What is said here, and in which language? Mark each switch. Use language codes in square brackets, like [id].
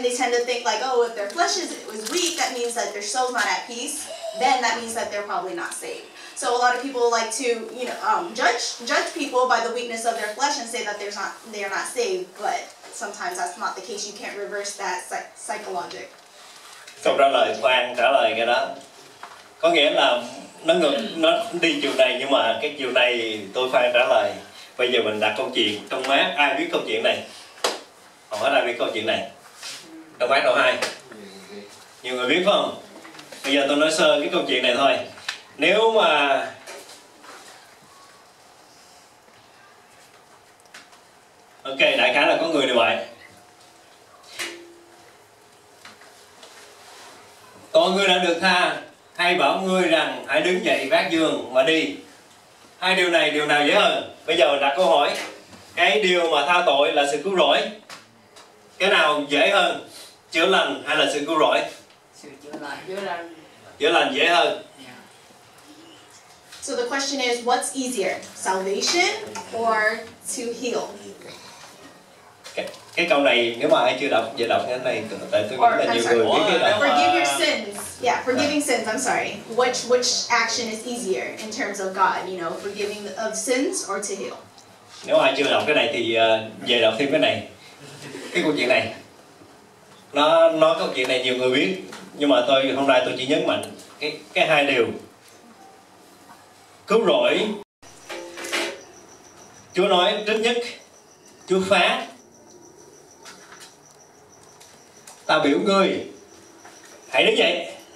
[en] They tend to think like, oh, if their flesh is weak, that means that their soul's not at peace. Then that means that they're probably not saved. So a lot of people like to, you know, judge people by the weakness of their flesh and say that they're not saved. But sometimes that's not the case. You can't reverse that psychologic. [vi] Câu trả lời khoan trả lời cái đó. Có nghĩa là nó ngược, nó đi chiều này, nhưng mà cái chiều này tôi khoan trả lời. Bây giờ mình đặt câu chuyện trong mát. Ai biết câu chuyện này? Không ai biết câu chuyện này. Trong mát đầu hai. Nhiều người biết phải không? Bây giờ tôi nói sơ cái câu chuyện này thôi. Nếu mà ok, đại khái là có người như vậy. Tội ngươi đã được tha, hay bảo ngươi rằng hãy đứng dậy vác giường mà đi. Hai điều này điều nào dễ hơn? Bây giờ đặt câu hỏi. Cái điều mà tha tội là sự cứu rỗi. Cái nào dễ hơn? Chữa lành hay là sự cứu rỗi? Sự chữa lành. Chữa lành. Chữa lành dễ hơn. [en] So the question is, what's easier, salvation or to heal? [vi] Cái câu này nếu mà ai chưa đọc về đọc cái này, tại tôi nghĩ là nhiều người biết cái đó. [en] Forgive your sins. Yeah, forgiving sins. I'm sorry. Which action is easier in terms of God? You know, forgiving of sins or to heal? [vi] Nếu ai chưa đọc cái này thì về đọc thêm cái này, cái câu chuyện này. Nó câu chuyện này nhiều người biết, nhưng mà tôi hôm nay tôi chỉ nhấn mạnh cái hai điều. Cứu rỗi, Chúa nói trước nhất, Chúa phán, ta biểu ngươi, hãy đứng dậy.